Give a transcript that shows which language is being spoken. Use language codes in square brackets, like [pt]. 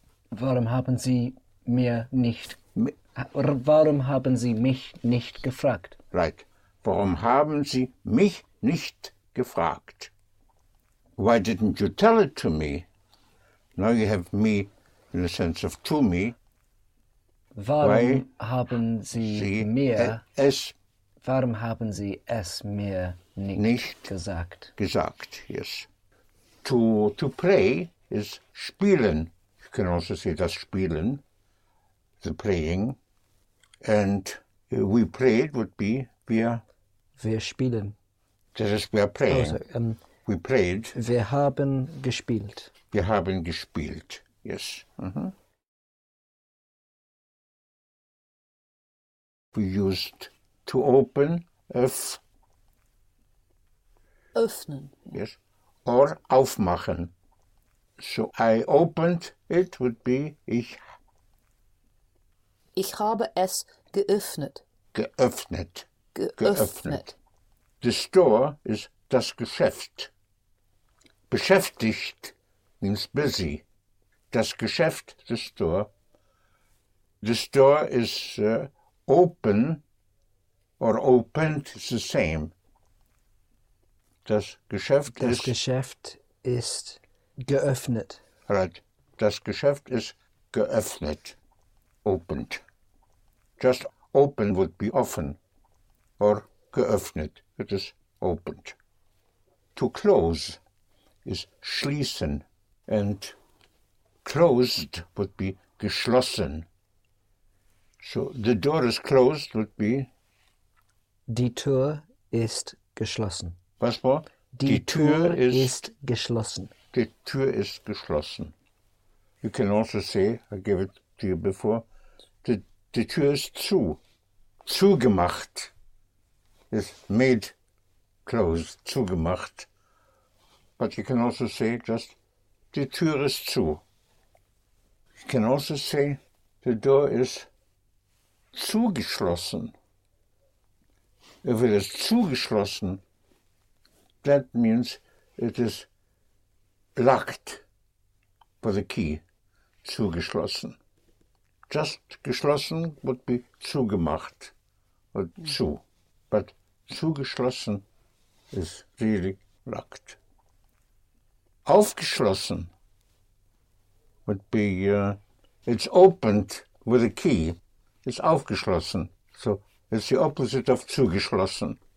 [de] Warum haben Sie mir nicht? Warum haben Sie mich nicht gefragt? [en] Right. [de] Warum haben Sie mich nicht gefragt? [en] Why didn't you tell it to me? Now you have me in the sense of to me. [de] Warum Why haben Sie, Sie mir es? Warum haben Sie es mir nicht gesagt? [en] Gesagt, yes. to play is spielen. You can also say das Spielen, the playing. And we played would be [de] wir spielen. Das ist wir [en] playing. Also, we played. [de] Wir haben gespielt. Wir haben gespielt. Yes. Mm-hmm. [en] We used to open, [de] öffnen. [en] Yes. Or aufmachen. So I opened it would be [de] ich habe es geöffnet. Geöffnet. Geöffnet. [en] The store is das Geschäft. Beschäftigt means busy. [de] Das Geschäft, the store. [en] The store is open or opened, it's the same. [de] Geschäft ist geöffnet. [en] Right. [de] Das Geschäft ist geöffnet. [en] Opened. Just open would be offen. Or geöffnet. It is opened. To close is schließen. And closed would be geschlossen. So the door is closed would be? [de] Die Tür ist geschlossen. Was war? Die Tür ist geschlossen. Die Tür ist geschlossen. [en] You can also say, I gave it to you before, [de] die Tür ist zu. [en] Zugemacht. Is made closed, zugemacht. But you can also say just, [de] die Tür ist zu. [en] You can also say, the door is zugeschlossen. If it is zugeschlossen, that means it is locked for the key, zugeschlossen. Just geschlossen would be zugemacht or zu. But zugeschlossen is really locked. Aufgeschlossen would be, it's opened with a key. It's aufgeschlossen. So it's the opposite of zugeschlossen.